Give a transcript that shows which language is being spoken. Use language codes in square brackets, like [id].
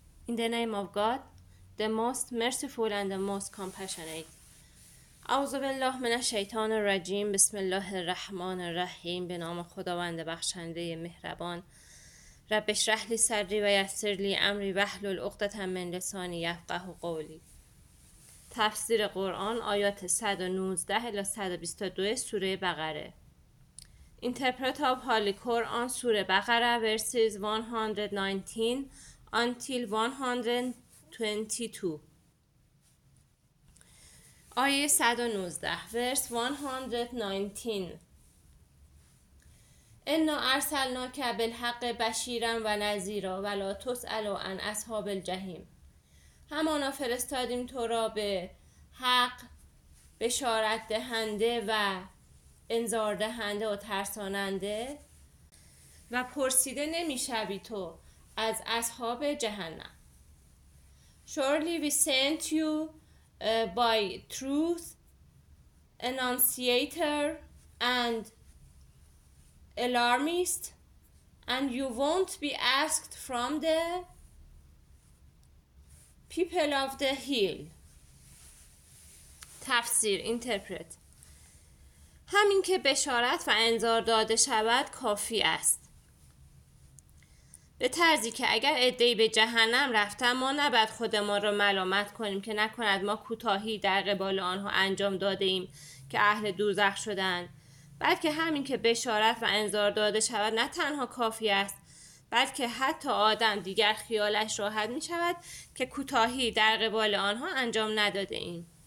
[en] In the name of God, the Most Merciful and the Most Compassionate. [ar] أعوذ بالله من الشیطان الرجیم. بسم الله الرحمن الرحیم. [fa] به نام خداوند بخشنده مهربان. [ar] رب اشرح لي صدري ويسر لي امري واحلل عقدة من لساني يفقهوا قولي. [fa] تفسیر قرآن آیات 119 الی 122 سوره بقره. [en] Interpret of Holy Quran سوره بقره verses 119 until 122. [fa] آیه 119 [en] verse 119. [ar] اِنَّا اَرْسَلْنَاكَ بِالْحَقِّ بَشِيرًا وَنَذِيرًا وَلَا تُسْأَلُ عَنْ أَصْحَابِ الْجَحِيمِ. [fa] همانا فرستادیم تو را به حق بشارت دهنده و انذار دهنده و ترساننده و پرسیده نمی شوی تو از اصحاب جهنم. [en] Surely we sent you by truth enunciator and alarmist and you won't be asked from the people of the hill. [fa] تفسیر interpret. همین که بشارت و انذار داده شود کافی است، به طرزی که اگر عده‌ای به جهنم رفتن ما نباید خودمان را ملامت کنیم که نکند ما کوتاهی در قبال آنها انجام داده ایم که اهل دوزخ شدند، بلکه همین که بشارت و انذار داده شود نه تنها کافی است، بلکه حتی آدم دیگر خیالش راحت می شود که کوتاهی در قبال آنها انجام نداده ایم.